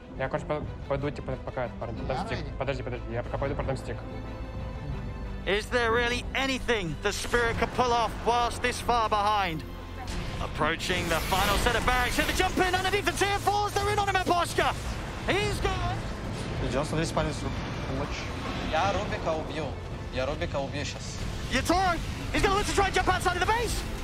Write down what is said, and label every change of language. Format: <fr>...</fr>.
<ru>Я, короче, пойду типа пока это, парни. Подожди, я пока пойду продам стик.</ru> <en>Is there really anything the Spirit could pull off whilst this far behind? Approaching the final set of barracks. Hit the jump in underneath the tier 4s. They're in on him, Boschka. He's gone.</en> <ru>Идем, смотри, спальни с Рубика. Я Рубика убью. Я Рубика убью сейчас.</ru> <en>Yatoro, he's going to look to try and jump outside of the base.</en>